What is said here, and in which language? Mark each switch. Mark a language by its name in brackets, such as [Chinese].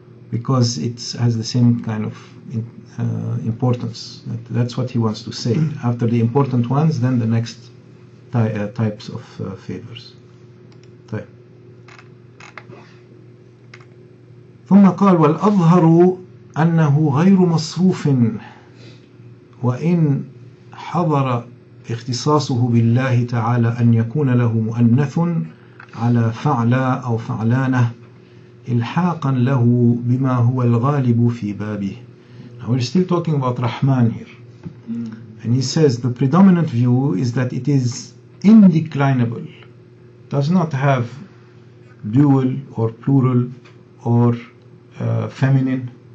[English] Because it has the same kind of importance. That's what he wants to say. After the important ones, then the next types of favors. [Arabic] ثم قال والأظهر أنه غير مصروف وإن حضر اختصاصه بالله تعالى أن يكون له مؤنث على فعلى أو فعلانه إلحاقا له بما هو الغالب في بابه. [English] Now we're still talking about Rahman here. And he says the predominant view is that it is indeclinable, does not have dual or plural or feminine.